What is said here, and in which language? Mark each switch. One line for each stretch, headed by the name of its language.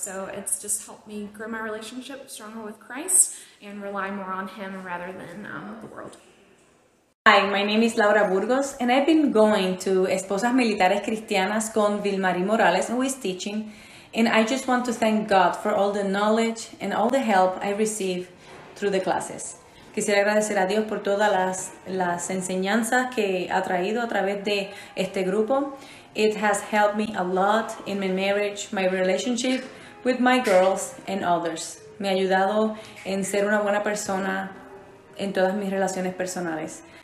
English: So it's just helped me grow my relationship stronger with Christ and rely more on Him rather than the world. Hi, my name is Laura Burgos, and I've been going to Esposas Militares Cristianas con Vilmarie Morales, who is teaching. And I just want to thank God for all the knowledge and all the help I receive through the classes.
Spanish: Quisiera agradecer a Dios por todas las enseñanzas que ha traído a través de este grupo.
English: It has helped me a lot in my marriage, my relationship with my girls and others.
Spanish: Me ha ayudado en ser una buena persona en todas mis relaciones personales.